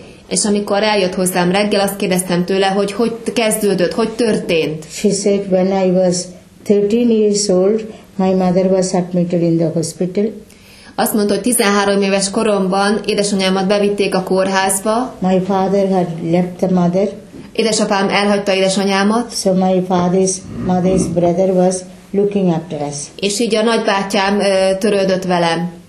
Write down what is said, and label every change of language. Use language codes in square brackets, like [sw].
[hu] És amikor eljött hozzám reggel, azt kérdeztem tőle, hogy kezdődött, hogy történt. [en] She said, when I was 13 years old, my mother was admitted in the hospital. [hu] Azt mondta, hogy 13 éves koromban édesanyámat bevitték a kórházba. [en] My father had left the mother. [hu] Édesapám elhagyta édesanyámat. [en] So my father's mother's brother was looking after us. [hu] És így a nagybátyám törődött velem.